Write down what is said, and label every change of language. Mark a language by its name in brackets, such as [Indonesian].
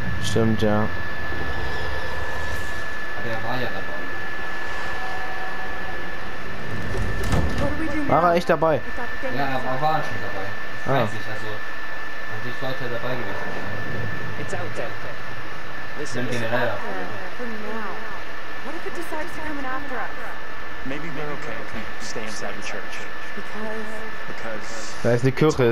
[German] Stimmt, ja. Aber er war ja dabei. War er echt dabei? Ja, er war schon dabei. Das weiß ich, also. Eigentlich sollte er dabei gewesen sein. [English] It's out there. Listen, generell. For now. What if it decides to come in after us? Maybe we're okay. Stay inside the church. Because [German] da ist eine Kirche.